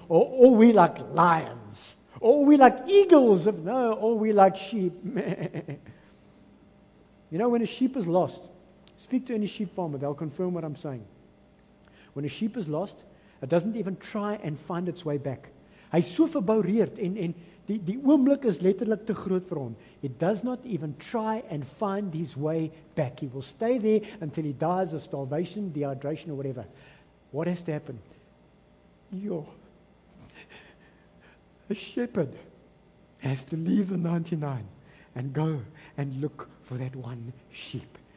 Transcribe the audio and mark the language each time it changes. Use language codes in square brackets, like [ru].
[en] Or all we like lions. Or we like eagles. No, all we like sheep. You know, when a sheep is lost, speak to any sheep farmer, they'll confirm what I'm saying. When a sheep is lost, it doesn't even try and find its way back. [af] Hy so verboureerd en die oomblik is letterlik te groot vir hom. [en] It does not even try and find his way back. He will stay there until he dies of starvation, dehydration, or whatever. What has to happen? A shepherd has to leave the 99 and go and look for that one sheep.